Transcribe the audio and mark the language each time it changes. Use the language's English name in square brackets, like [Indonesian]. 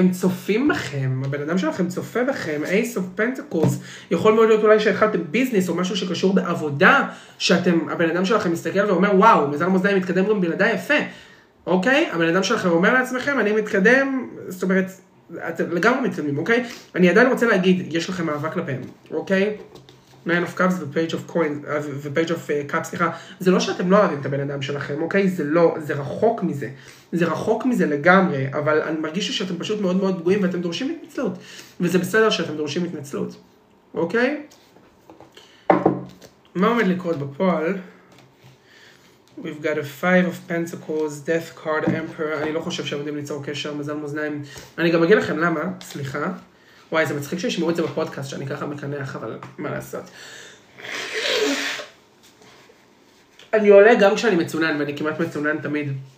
[Hebrew] הם צופים בכם, הבן אדם שלכם צופה בכם, Ace of Pentacles, יכול מאוד להיות אולי שהתחלתם ביזנס או משהו שקשור בעבודה, שאתם, הבן אדם שלכם מסתכל ואומר, וואו, מזל מוזניים, מתקדם גם בלעדה יפה, אוקיי? הבן אדם שלכם אומר לעצמכם, אני מתקדם, זאת אומרת, אתם לגמרי מתקדמים, אוקיי? אני עדיין רוצה להגיד, יש לכם אהבה כלפיהם, אוקיי? Nine of Cups ו-Page of Coins, ו-Page of Cups, סליחה. זה לא שאתם לא אוהבים את הבן אדם שלכם, אוקיי? זה לא, זה רחוק מזה. זה רחוק מזה לגמרי, אבל אני מרגיש שאתם פשוט מאוד מאוד פגועים, ואתם דורשים התנצלות. וזה בסדר שאתם דורשים התנצלות, אוקיי? מה עומד לקרות בפועל? [English] We've got a five of pentacles, death card, emperor. [Hebrew] אני לא חושב שהם יודעים ליצור קשר, מזל מוזניים. אני גם אגיד לכם למה, סליחה. וואי, זה מצחיק שישמעו את זה בפודקאסט, שאני ככה מקנח, אבל מה לעשות. אני עולה גם כשאני מצונן, ואני כמעט מצונן תמיד.